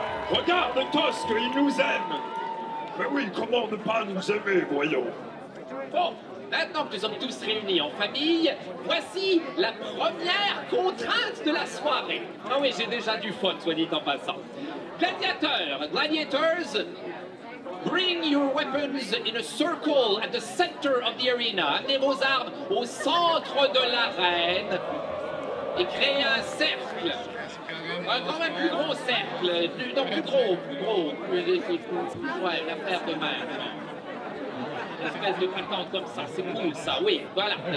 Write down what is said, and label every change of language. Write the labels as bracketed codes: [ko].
[fr] Regarde Tosk, il nous aime! Mais oui, comment ne pas nous aimer, voyons! Bon, maintenant que nous sommes tous réunis en famille, voici la première contrainte de la soirée! Ah oui, j'ai déjà du fun, soit dit en passant. Gladiateurs, [en] gladiators, bring your weapons in a circle at the center of the arena. [fr] Amenez vos armes au centre de l'arène et créez un cercle. Un grand même plus gros cercle. Plus gros. Ouais, l'affaire de mer. L'espèce de patente comme ça, c'est cool ça, oui, voilà.